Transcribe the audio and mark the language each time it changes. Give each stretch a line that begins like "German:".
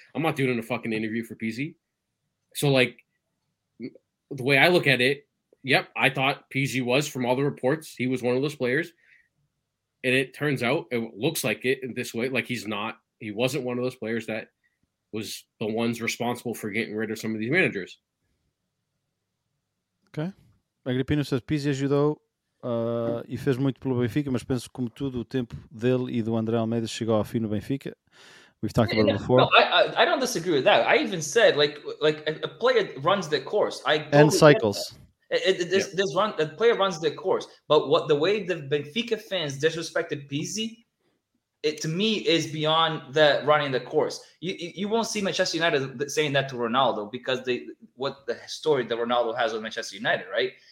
English: I'm not doing a fucking interview for Peasy. So, like, the way I look at it, yep, I thought Peasy was, from all the reports, he was one of those players. And it turns out, it looks like it in this way, like he wasn't one of those players that was the ones responsible for getting rid of some of these managers. Okay.
Portuguese: Agrippino says Pizzi ajudou e fez muito pelo Benfica, mas penso que, como tudo, o tempo dele e do André Almeida chegou ao fim no Benfica.
English: We've talked about it before. No, I don't disagree with that. I even said like a player runs the course. I go and cycles. A player runs the course. But what the way the Benfica fans disrespected Pizzi, it to me is beyond the running the course. You won't see Manchester United saying that to Ronaldo because what the story that Ronaldo has with Manchester United, right?